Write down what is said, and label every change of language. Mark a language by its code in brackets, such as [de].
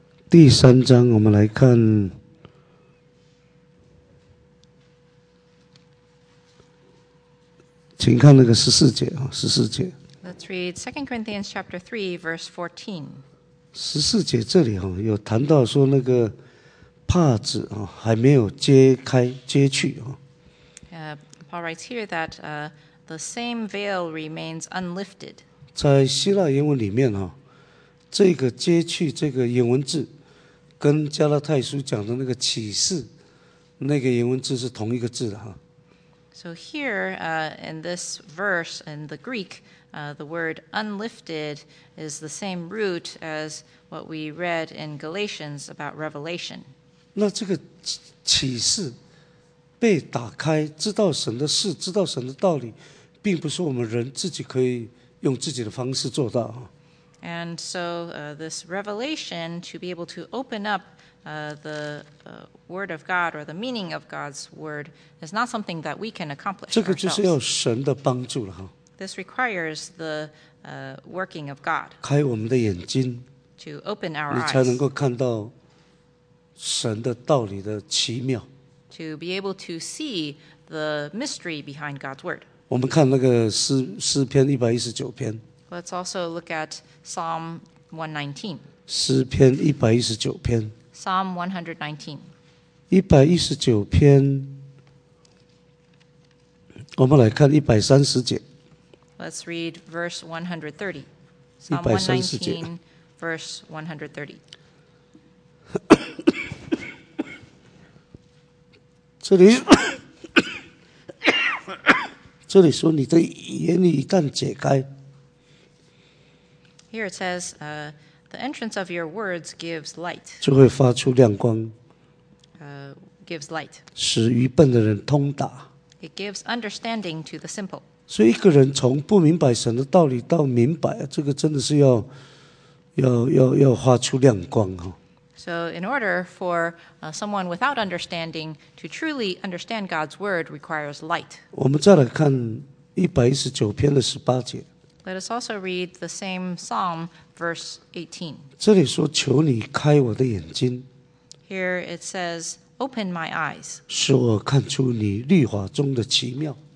[zh] 第三章，我们来看请看那个十四节啊，十四节。 [en] Let's read 2 Corinthians chapter 3, verse 14. [zh] 十四节这里有谈到说那个帕子还没有揭开揭去。 [en] Paul writes here that the same veil remains unlifted. [zh] 在希腊英文里面这个揭去这个英文字跟加拉太书讲的那个启示那个英文字是同一个字的。 [en] So here, in this verse, in the Greek, the word unlifted is the same root as what we read in Galatians about Revelation. [zh] 那这个启示被打开，知道神的事，知道神的道理，并不是我们人自己可以用自己的方式做到。 [en] And so this revelation, to be able to open up the word of God or the meaning of God's word is not something that we can accomplish ourselves. [zh] 这个就是要神的帮助了。 [en] This requires the working of God. [zh] 开我们的眼睛 [en] to open our eyes. [zh] 你才能够看到神的道理的奇妙。 [en] To be able to see the mystery behind God's word. [zh] 我们看那个诗篇119篇。 [en] Let's also look at Psalm 119. [zh] 诗篇119篇。 [en] Psalm 119. [zh] 119篇，我们来看130节。 [en] Let's read verse 130. Psalm 119, verse 130. [zh] 这里说你的眼一旦解开。 [en] Here it says, the entrance of your words gives light. [zh] 就会发出亮光。 [en] Gives light. [zh] 使愚笨的人通达。 [en] It gives understanding to the simple. [zh] 所以一个人从不明白神的道理到明白，这个真的是要发出亮光哦。 [en] So in order for someone without understanding to truly understand God's word requires light. [zh] 我们再来看119篇的18节。 [en] Let us also read the same psalm, verse 18. [zh] 这里说求你开我的眼睛。 [en] Here it says, open my eyes. [zh] 使我看出你律法中的奇妙。